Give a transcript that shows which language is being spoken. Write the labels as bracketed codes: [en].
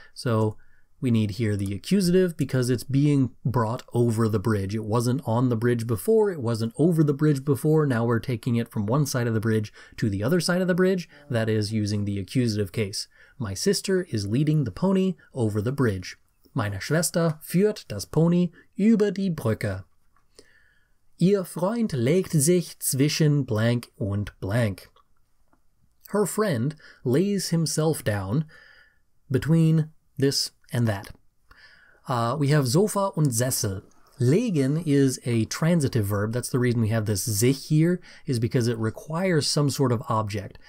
[en] So we need here the accusative because it's being brought over the bridge. It wasn't on the bridge before. It wasn't over the bridge before. Now we're taking it from one side of the bridge to the other side of the bridge. That is using the accusative case. My sister is leading the pony over the bridge. [de] Meine Schwester führt das Pony über die Brücke. Ihr Freund legt sich zwischen blank und blank. [en] Her friend lays himself down between this and that. We have Sofa und Sessel. Legen is a transitive verb. That's the reason we have this sich here, is because it requires some sort of object.